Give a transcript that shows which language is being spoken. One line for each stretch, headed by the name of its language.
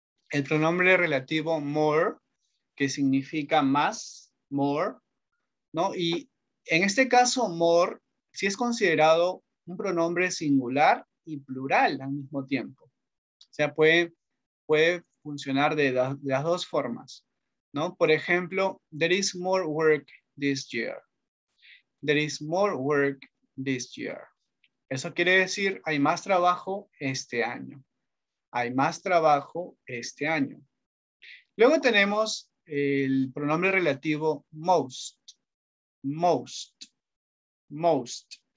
Spanish: El pronombre relativo more, que significa más, more, ¿no? Y en este caso, more, sí es considerado un pronombre singular y plural al mismo tiempo. O sea, puede funcionar de las dos formas, ¿no? Por ejemplo,
English: there is more work this year. There is more work this year.
Spanish: Eso quiere decir, hay más trabajo este año. Hay más trabajo este año. Luego tenemos el pronombre relativo most. Most. Most.